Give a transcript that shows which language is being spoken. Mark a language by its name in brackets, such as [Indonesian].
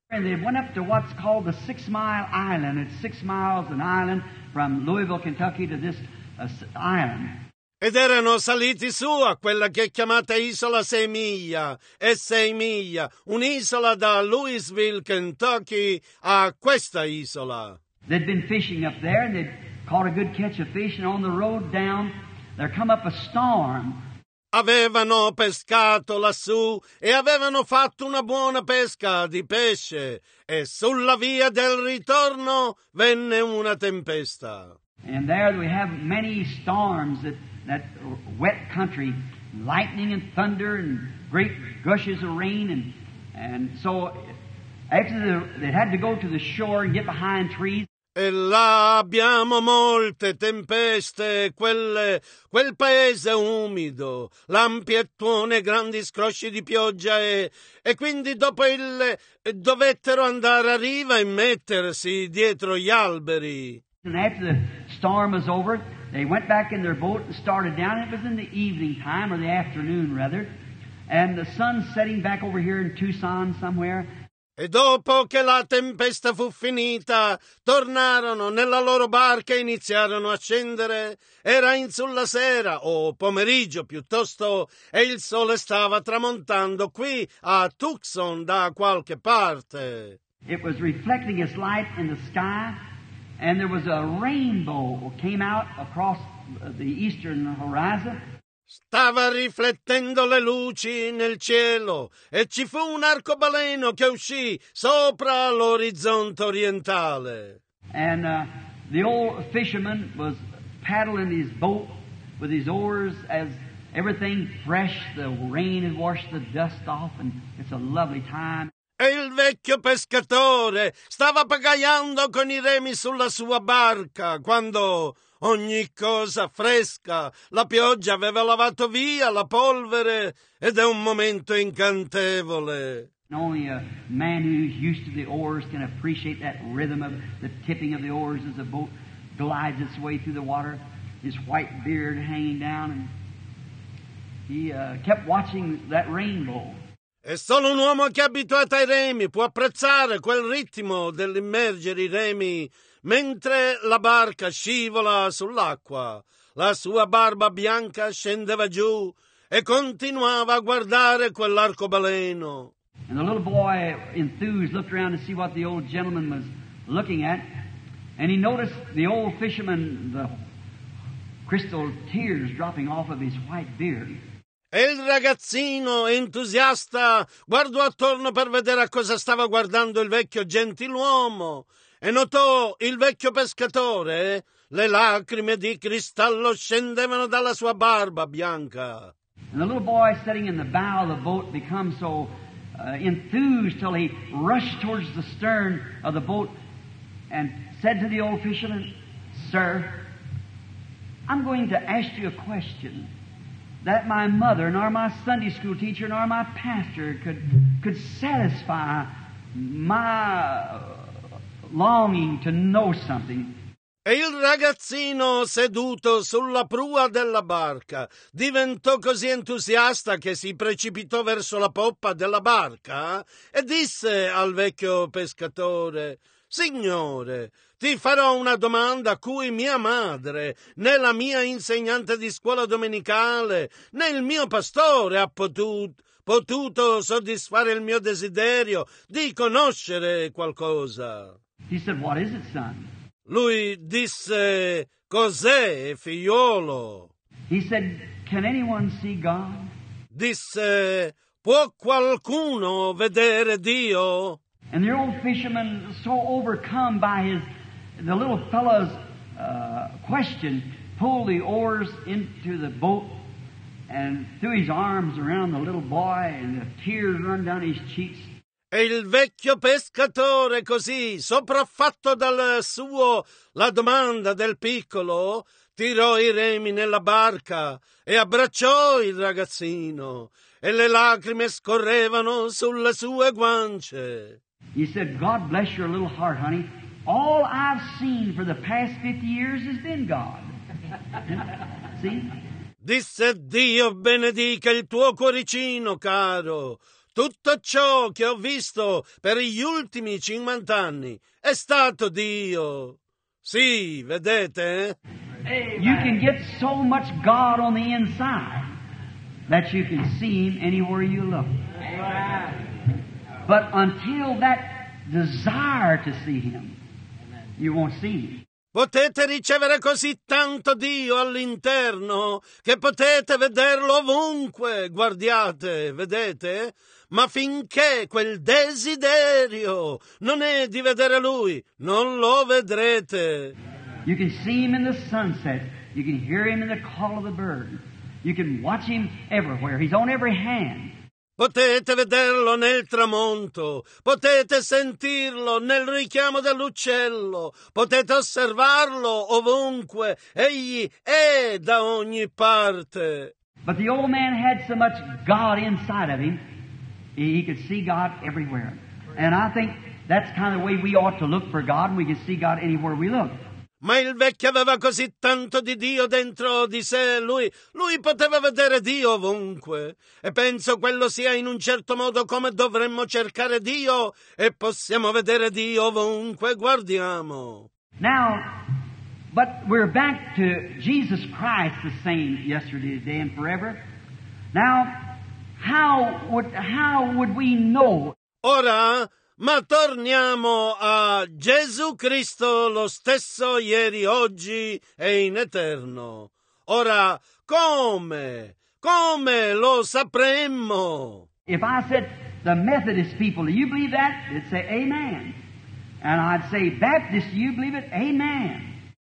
[English] And they went up to what's called the Six Mile Island. It's 6 miles an island from Louisville, Kentucky to this island. [Italian] Ed erano saliti su a quella che è chiamata Isola 6 Miglia, e 6 Miglia, un'isola da Louisville, Kentucky, a questa isola. [English] They'd been fishing up there and they'd caught a good catch of fish, and on the road down there come up a storm. [Italian] Avevano pescato lassù e avevano fatto una buona pesca di pesce, e sulla via del ritorno venne una tempesta. [English] And there we have many storms, that wet country, lightning and thunder and great gushes of rain, and so actually they had to go to the shore and get behind trees. [Italian] E là abbiamo molte tempeste, quel paese umido, lampi e tuoni, grandi scrosci di pioggia, e quindi dopo il dovettero andare a riva e mettersi dietro gli alberi. [English] And after the storm was over, they went back in their boat and started down. It was in the evening time, or the afternoon rather, and the sun setting back over here in Tucson somewhere. [Italian] E dopo che la tempesta fu finita, tornarono nella loro barca e iniziarono a scendere. Era in sulla sera, o pomeriggio piuttosto, e il sole stava tramontando qui a Tucson da qualche parte. [English] It was reflecting its light in the sky, and there was a rainbow came out across the eastern horizon. [Italian] Stava riflettendo le luci nel cielo e ci fu un arcobaleno che uscì sopra l'orizzonte orientale. [English] And The old fisherman was paddling his boat with his oars as everything fresh, the rain had washed the dust off, and it's a lovely time. [Italian] E il vecchio pescatore stava pagaiando con i remi sulla sua barca quando ogni cosa fresca, la pioggia aveva lavato via la polvere ed è un momento incantevole. [English] Only a man who's used to the oars can appreciate that rhythm of the tipping of the oars as the boat glides its way through the water, his white beard hanging down, and he kept watching that rainbow. [Italian] E solo un uomo che è abituato ai remi può apprezzare quel ritmo dell'immergere i remi mentre la barca scivola sull'acqua. La sua barba bianca scendeva giù e continuava a guardare quell'arcobaleno. [English] And the little boy enthused looked around to see what the old gentleman was looking at, and he noticed the old fisherman, the crystal tears dropping off of his white beard. [Italian] E il ragazzino entusiasta guardò attorno per vedere a cosa stava guardando il vecchio gentiluomo e notò il vecchio pescatore, le lacrime di cristallo scendevano dalla sua barba bianca. [English] And the little boy sitting in the bow of the boat becomes so enthused till he rushed towards the stern of the boat and said to the old fisherman, "Sir, I'm going to ask you a question that my mother nor my Sunday school teacher nor my pastor could satisfy my longing to know something." [Italian] E il ragazzino seduto sulla prua della barca diventò così entusiasta che si precipitò verso la poppa della barca e disse al vecchio pescatore: "Signore, ti farò una domanda a cui mia madre, né la mia insegnante di scuola domenicale, né il mio pastore ha potuto soddisfare il mio desiderio di conoscere qualcosa." [English] He said, "What is it, son?" [Italian] Lui disse: "Cos'è, figliolo?" [English] He said, "Can anyone see God?" [Italian] Disse: "Può qualcuno vedere Dio?" [English] And the old fisherman, so overcome by the little fellow's question, pulled the oars into the boat and threw his arms around the little boy, and the tears run down his cheeks. [Italian] E il vecchio pescatore, così sopraffatto dalla domanda del piccolo, tirò i remi nella barca e abbracciò il ragazzino, e le lacrime scorrevano sulle sue guance. [English] He said, "God bless your little heart, honey. All I've seen for the past 50 years has been God." See? [Italian] Disse: "Dio benedica il tuo cuoricino, caro. Tutto ciò che ho visto per gli ultimi 50 anni è stato Dio." Sì, vedete? [English] Amen. You can get so much God on the inside that you can see him anywhere you look. Amen. But until that desire to see him, amen, you won't see him. [Italian] Potete ricevere così tanto Dio all'interno che potete vederlo ovunque, guardiate, vedete? Ma finché quel desiderio non è di vedere Lui, non lo vedrete. [English] You can see him in the sunset. You can hear him in the call of the bird. You can watch him everywhere. He's on every hand. Potete vederlo nel tramonto, potete sentirlo nel richiamo dell'uccello, potete osservarlo ovunque, egli è da ogni parte. But the old man had so much God inside of him, he could see God everywhere. And I think that's kind of the way we ought to look for God, and we can see God anywhere we look. [Italian] Ma il vecchio aveva così tanto di Dio dentro di sé, lui poteva vedere Dio ovunque. E penso quello sia in un certo modo come dovremmo cercare Dio, e possiamo vedere Dio ovunque guardiamo. [English] Now, but we're back to Jesus Christ, the same yesterday, today, and forever. Now, how would we know? [Italian] Ora, ma torniamo a Gesù Cristo, lo stesso ieri, oggi e in eterno. Ora, come lo sapremmo? [English] If I said the Methodist people, "Do you believe that?" they'd say, "Amen." And I'd say, "Baptist, do you believe it?" "Amen."